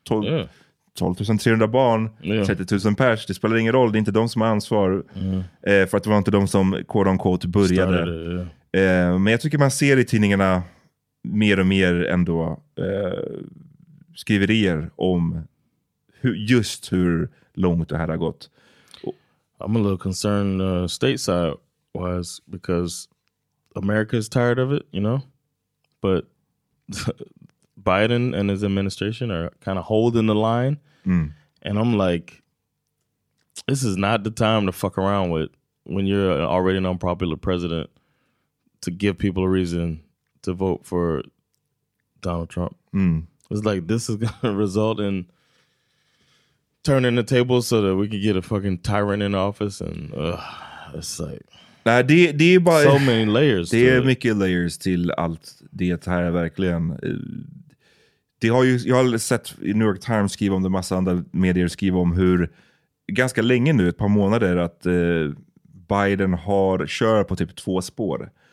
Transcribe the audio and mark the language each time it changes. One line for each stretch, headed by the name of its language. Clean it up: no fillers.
Swedish: 12 300 barn, 30 000 pers, det spelar ingen roll, det är inte de som har ansvar för att det var inte de som
English: quote unquote
Swedish: började. Men jag tycker man ser i tidningarna mer och mer ändå skriverier om hur långt det här har gått.
English: I'm a little concerned stateside wise because America is tired of it, you know, but Biden and his administration are kind of holding the line. And I'm like, this is not the time to fuck around with when you're already an unpopular president to give people a reason to vote for Donald Trump. It's like, this is going to result in turning the table so that we can get a fucking tyrant in office and it's like
Swedish: det är bara,
English: so many layers.
Swedish: Det är mycket layers till allt det här verkligen. Det har ju, jag har sett New York Times skriva om det, massa andra medier skriva om hur ganska länge nu, ett par månader, att Biden har kör på typ två spår.